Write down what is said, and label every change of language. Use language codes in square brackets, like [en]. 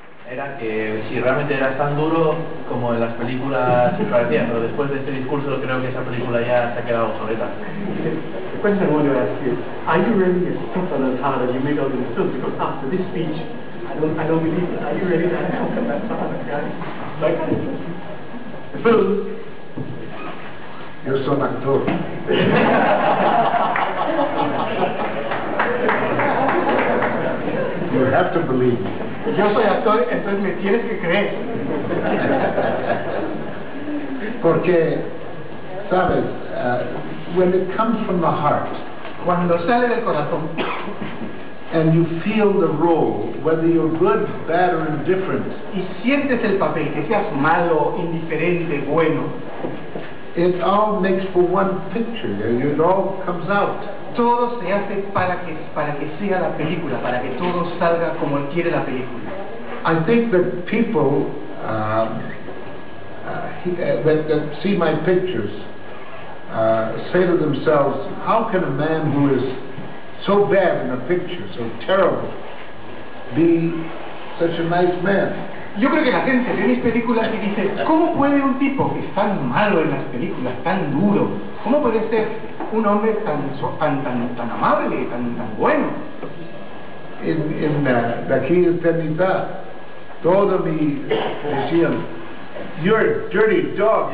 [es] Era que si realmente era tan duro como en las películas parecían, pero después de este discurso creo que esa película ya se ha quedado obsoleta. [en] The question I want to ask you, are you really as tough and as hard as you made out in the film? Because after this speech, I don't believe that. Are you really that tough and as hard as you made out in the film? Phil, you're so actor. You have to believe. [es] Yo soy actor, entonces me tienes que creer. Porque, sabes, [en] when it comes from the heart, [es] cuando sale del corazón, [en] and you feel the role, whether you're good, bad, or indifferent, [es] y sientes el papel, que seas malo, indiferente, bueno, [en] it all makes for one picture, and it all comes out. [es] Todo se hace para que sea la película, para que todo salga como quiere la película. [en] I think that people that see my pictures say to themselves, how can a man who is so bad in a picture, so terrible, be such a nice man. [es] yo creo que la gente ve mis películas y dice, ¿cómo puede un tipo que es tan malo en las películas, tan duro, cómo puede ser un hombre tan amable, tan bueno? En aquí en eternidad, todos me decían, [en] you're a dirty dog.